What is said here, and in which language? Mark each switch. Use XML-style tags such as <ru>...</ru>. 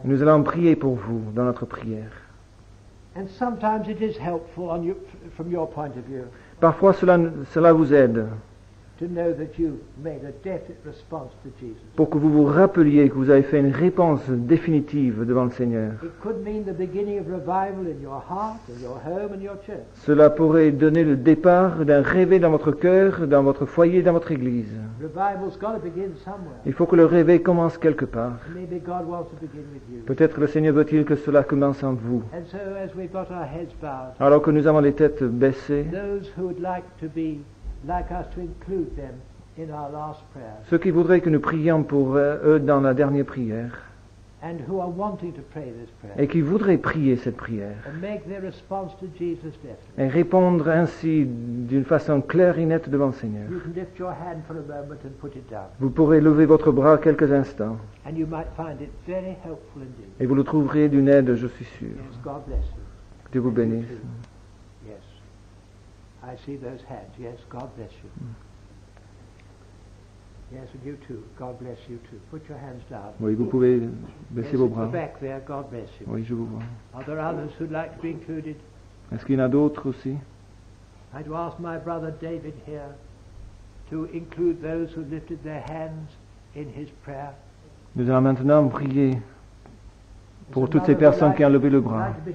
<fr>Nous allons prier pour vous dans notre prière.</fr> <en>And sometimes it is helpful on you, from your point of view.</en> <fr>Parfois cela vous aide.</fr> <en>To know that you've made a definite response to Jesus.</en> <fr>Pour que vous vous rappeliez que vous avez fait une réponse définitive devant le Seigneur.</fr> <en>It could mean the beginning of revival in your heart, in your home, and your church.</en> <fr>Cela pourrait donner le départ d'un réveil dans votre cœur, dans votre foyer, dans votre église.</fr> <en>Revival's got to begin somewhere.</en> <fr>Il faut que le réveil commence quelque part.</fr> <en>Maybe God wants to begin with you.</en> <fr>Peut-être le Seigneur veut-il que cela commence en vous.</fr> <en>And so, as we've got our heads bowed,</en> <fr>alors que nous avons les têtes baissées,</fr> <en>those who would like to be like us to include them in our last prayer.</en> <fr>Ceux qui voudraient que nous prions pour eux dans la dernière prière.</fr> <en>And who are wanting to pray this prayer.</en> <fr>Et qui voudraient prier cette prière.</fr> <en>And make their response to Jesus definitely.</en> <fr>Et répondre ainsi d'une façon claire et nette devant le Seigneur.</fr> <en>You can lift your hand for a moment and put it down.</en> <fr>Vous pourrez lever votre bras quelques instants.</fr> <en>And you might find it very helpful indeed.</en> <fr>Et vous le trouverez d'une aide, je suis sûr.</fr> <en>Yes, God bless you.</en> <fr>Que Dieu vous bénisse.</fr> <en>Yes. I see those hands. Yes, God bless you. Yes, and you too. God bless you too. Put your hands down.</en> <fr>Oui, vous pouvez baisser</fr> <en>yes,</en> <fr>vos bras.</fr> <en>In the back there, God bless you.</en> <fr>Oui, je vous vois.</fr> <en>Are there others who'd like to be included?</en> <fr>Est-ce qu'il y en a d'autres aussi?</fr> <en>I'd ask my brother David here to include those who lifted their hands in his prayer.</en> <fr>Nous allons maintenant prier pour toutes ces personnes qui ont levé le bras.</fr>